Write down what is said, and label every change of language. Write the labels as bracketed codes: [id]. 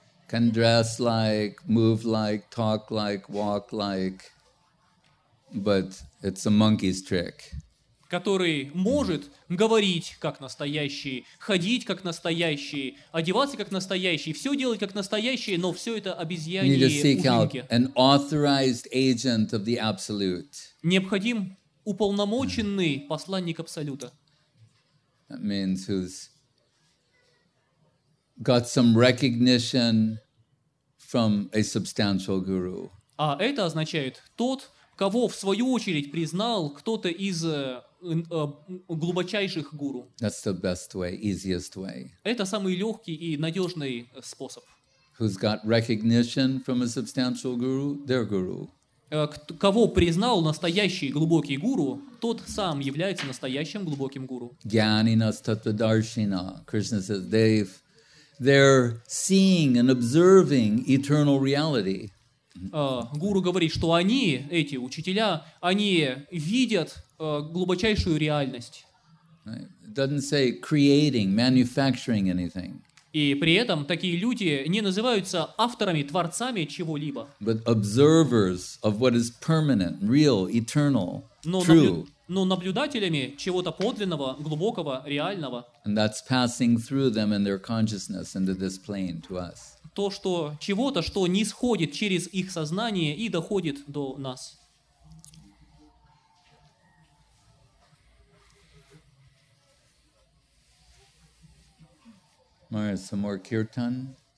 [en] Can dress like, move like, talk like, walk like, but it's a monkey's trick. [ru] Который может говорить как настоящий, ходить как настоящий, одеваться как настоящий, все делать как настоящий, но все это обезьяньи ужинки. [en] You need to seek out an authorized agent of the absolute. [ru] Необходим уполномоченный посланник Абсолюта. [en] That means who's got some recognition from a substantial guru. [ru] А это означает тот, кого в свою очередь признал кто-то из глубочайших гуру. [en] That's the best way, easiest way. [ru] Это самый легкий и надежный способ. [en] Who's got recognition from a substantial guru? Their guru. [ru] Кого признал настоящий глубокий гуру, тот сам является настоящим глубоким гуру. [sa] Gyanina Stattvadarshina. [en] Krishna says, Dave, they're seeing and observing eternal reality. [ru] Гуру говорит, что они, эти учителя, они видят глубочайшую реальность. [en] It doesn't say creating, manufacturing anything. [ru] И при этом такие люди не называются авторами, творцами чего-либо. [en] But observers of what is permanent, real, eternal, true. [ru] Но наблюдателями чего-то подлинного, глубокого, реального. [en] And that's passing through them and their consciousness into this plane to us. [ru] То, что чего-то, что нисходит через их сознание и доходит до нас. [en] Maharaj, some more kirtan.